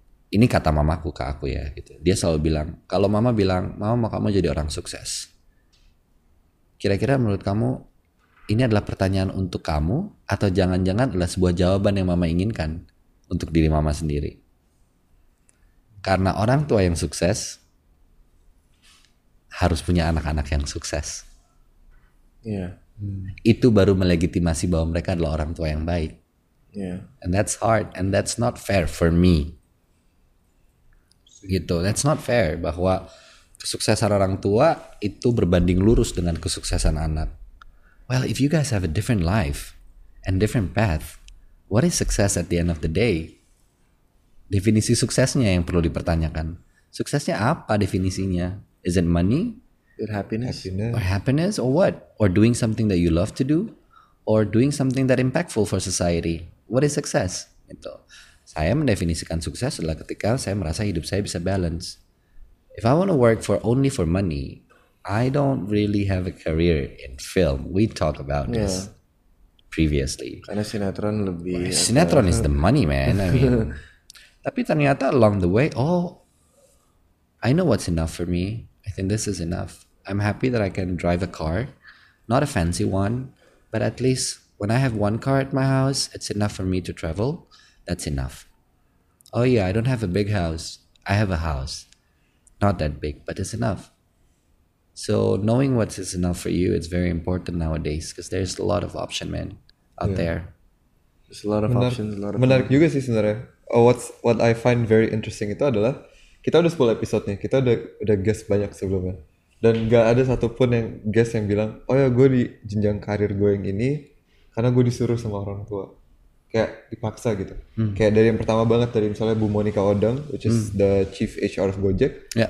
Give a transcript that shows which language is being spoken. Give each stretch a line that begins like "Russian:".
Indonesian: Ini kata mamaku ke aku ya, gitu. Dia selalu bilang, kalau mama bilang, mama mau kamu jadi orang sukses, kira-kira menurut kamu ini adalah pertanyaan untuk kamu atau jangan-jangan adalah sebuah jawaban yang mama inginkan untuk diri mama sendiri? Karena orang tua yang sukses harus punya anak-anak yang sukses. Iya. Yeah. Itu baru melegitimasi bahwa mereka adalah orang tua yang baik. Iya. Yeah.
English: And that's hard and that's not fair for me. Gitu. That's not fair
Indonesian: bahwa kesuksesan orang tua itu berbanding lurus dengan kesuksesan anak.
English: Well, if you guys have a different life and different path, what is success at the end of the day?
Indonesian: Definisi suksesnya yang perlu dipertanyakan. Suksesnya apa definisinya?
English: Is it money? Your happiness. Or happiness or what? Or doing something that you love to do? Or doing something that impactful for society? What is success? Gitu.
Indonesian: Saya mendefinisikan sukses adalah ketika saya merasa hidup saya bisa balance.
English: If I want to work for only for money, I don't really have a career in film. We talk about this previously.
Indonesian: Karena sinetron lebih.
English: Well, sinetron is the money, man. I mean,
Indonesian: tapi ternyata
English: along the way, oh, I know what's enough for me. I think this is enough. I'm happy that I can drive a car, not a fancy one, but at least when I have one car at my house, it's enough for me to travel. That's enough. Oh yeah, I don't have a big house. I have a house. Not that big, but it's enough. So knowing what is enough for you, it's very important nowadays because there's a lot of option, man, out there. There's a lot of options.
Indonesian: Menarik juga sih sebenarnya.
English: Oh, what I find very interesting
Indonesian: itu adalah kita udah 10 episode nih. Kita udah guest banyak sebelumnya. Dan gak ada satupun yang guest yang bilang, oh ya gue di jenjang karir gue yang ini karena gue disuruh sama orang tua. Kayak dipaksa gitu. Kayak dari yang pertama banget, dari misalnya Bu Monica Odang,
English: which is the chief HR of Gojek.